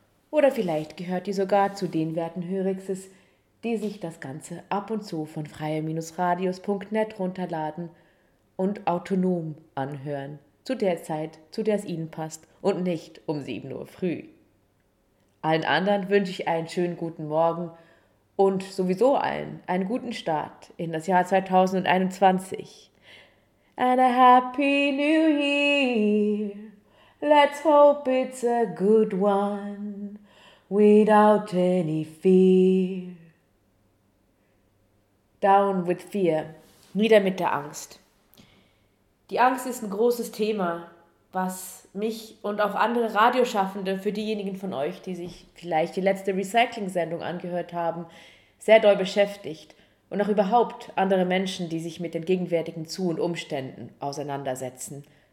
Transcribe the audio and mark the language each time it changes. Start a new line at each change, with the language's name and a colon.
German: Oder vielleicht gehört ihr sogar zu den Werten Hörixes, die sich das Ganze ab und zu von freie-radios.net runterladen und autonom anhören, zu der Zeit, zu der es ihnen passt und nicht um 7 Uhr früh. Allen anderen wünsche ich einen schönen guten Morgen und sowieso allen einen guten Start in das Jahr 2021.
English: And a happy new year. Let's hope it's a good one, without any fear. Down with fear,
German: nieder mit der Angst. Die Angst ist ein großes Thema, was mich und auch andere Radioschaffende, für diejenigen von euch, die sich vielleicht die letzte Recycling-Sendung angehört haben, sehr doll beschäftigt und auch überhaupt andere Menschen, die sich mit den gegenwärtigen Zu- und Umständen auseinandersetzen.